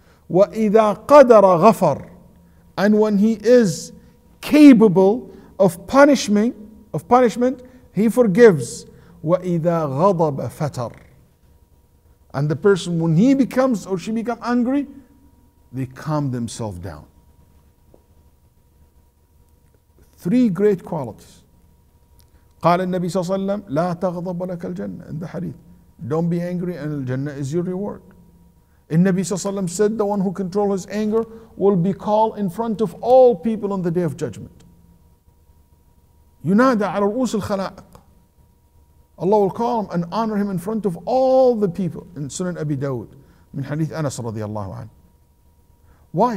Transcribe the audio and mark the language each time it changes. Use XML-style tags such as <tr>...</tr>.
<ar>وَإِذَا قَدَرَ غَفَرْ</ar> <en>And when he is capable of punishment, he forgives.</en> <ar>وَإِذَا غَضَبَ فَتَرْ</ar> <en>And the person, when he becomes or she becomes angry, they calm themselves down. Three great qualities.</en> <ar>قال النبي صلى الله عليه وسلم لا تغضب لك الجنة</ar> <en>in the hadith. Don't be angry and الجنة is your reward.</en> <ar>النبي صلى الله عليه وسلم</ar> <en>said the one who controls his anger will be called in front of all people on the day of judgment.</en> <ar>ينادى على رؤوس الخلائق.</ar> <en>Allah will call him and honor him in front of all the people in Sunan Abi Dawud</en> <ar>من حديث أنس رضي الله عنه.</ar> <en>Why?</en>